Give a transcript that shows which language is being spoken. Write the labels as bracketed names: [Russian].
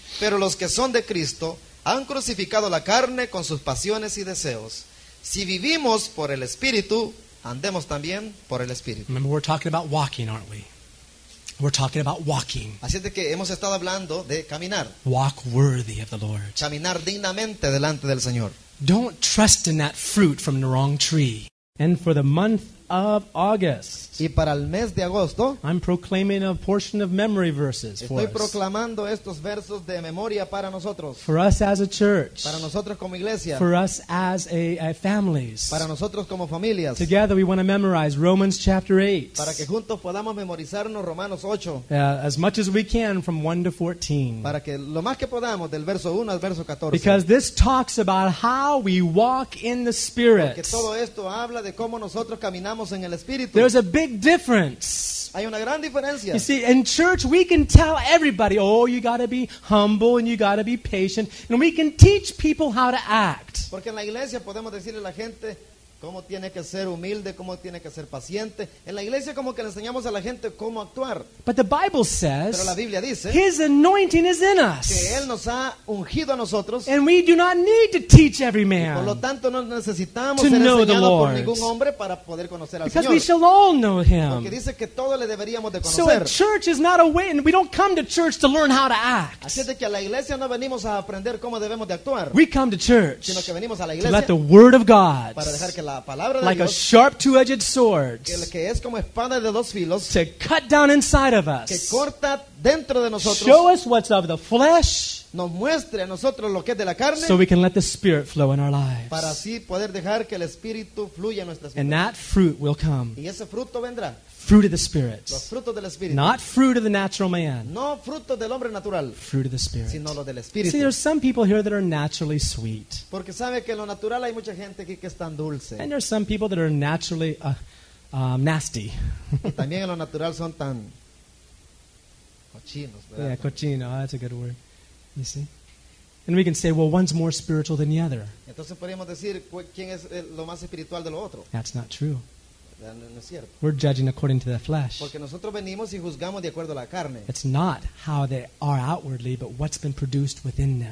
[Spanish] Pero los que son de Cristo han crucificado la carne con sus pasiones y deseos. Si vivimos por el Espíritu, andemos también por el Espíritu. [English] Remember, we're talking about walking, aren't we? We're talking about walking. [Spanish] Así es de que hemos estado hablando de caminar. [English] Walk worthy of the Lord. [Spanish] Caminar dignamente delante del Señor. [English] Don't trust in that fruit from the wrong tree. And for the month of August. [Spanish] Y para el mes de agosto, [English] I'm proclaiming a portion of memory verses for [Spanish] estoy proclamando estos versos de memoria para nosotros. [English] For us as a church. [Spanish] Para nosotros como iglesia. [English] For us as a families. [Spanish] Para nosotros como familias. [English] Together we want to memorize Romans chapter 8. [Spanish] Para que juntos podamos memorizarnos Romanos 8. [English] As much as we can from 1 to 14. [Spanish] Para que lo más que podamos del verso 1 al verso 14. [English] Because this talks about how we walk in the Spirit. [Spanish] Porque todo esto habla de cómo nosotros caminamos. [English] There's a big difference. [Spanish] Hay una gran diferencia. [English] You see, in church we can tell everybody, oh, you got to be humble and you got to be patient, and we can teach people how to act. [Spanish] Porque en la iglesia podemos decirle a la gente cómo tiene que ser humilde, cómo tiene que ser paciente. En la iglesia como que le enseñamos a la gente cómo actuar. [English] But the Bible says, [Spanish] pero la Biblia dice, [English] His anointing is in us. [Spanish] Que Él nos ha ungido a nosotros. [English] And we do not need to teach every man. [Spanish] Y por lo tanto no necesitamos [English] to [Spanish] ser [English] know [Spanish] enseñado [English] the Lord. [Spanish] Por ningún hombre para poder conocer al [English] Because [Spanish] Señor. [English] Because we shall all know Him. [Spanish] Porque dice que todos le deberíamos de conocer. [English] So a church is not a way, and we don't come to church to learn how to act. [Spanish] Así es de que a la iglesia no venimos a aprender cómo debemos de actuar. [English] We come to church. [Spanish] Sino que venimos a la iglesia. [English] To let the Word of God. [Spanish] Para dejar que [English] like [Spanish] Dios, [English] a sharp two-edged sword [Spanish] que es como espada de dos filos, [English] to cut down inside of us [Spanish] que corta dentro de nosotros, [English] show us what's of the flesh [Spanish] nos muestre a nosotros lo que es de la carne, [English] so we can let the Spirit flow in our lives [Spanish] para así poder dejar que el Espíritu fluya en nuestras vidas. [English] And that fruit will come [Spanish] y ese fruto vendrá. [English] Fruit of the Spirit. [Spanish] Los frutos del Espíritu. [English] Not fruit of the natural man. [Spanish] No fruto del hombre natural. [English] Fruit of the Spirit. [Spanish] Sino lo del Espíritu. [English] See, there's some people here that are naturally sweet. [Spanish] Porque sabe que lo natural hay mucha gente aquí que es tan dulce. [English] And there's some people that are naturally nasty. [Spanish] Y también en lo natural son tan cochinos, ¿verdad? [English] Yeah, cochino, that's a good word. You see? And we can say, well, one's more spiritual than the other. [Spanish] Entonces podríamos decir, ¿quién es lo más espiritual de lo otro? [English] That's not true. We're judging according to the flesh. [Spanish] Porque nosotros venimos y juzgamos de acuerdo a la carne. [English] It's not how they are outwardly, but what's been produced within them.